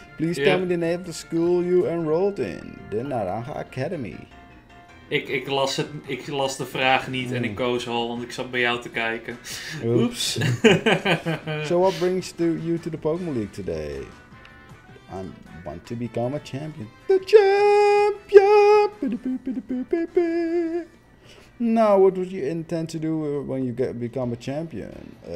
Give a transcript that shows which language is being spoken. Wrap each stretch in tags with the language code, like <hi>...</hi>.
<en>Please tell me the name of the school you enrolled in. The Naranja Academy.</en> <nl>Ik las de vraag niet en ik koos al, want ik zat bij jou te kijken. Oeps.</nl> <en>So what brings you to the Pokémon League today? I want to become a champion. The champion! Now, what would you intend to do when you become a champion?</en>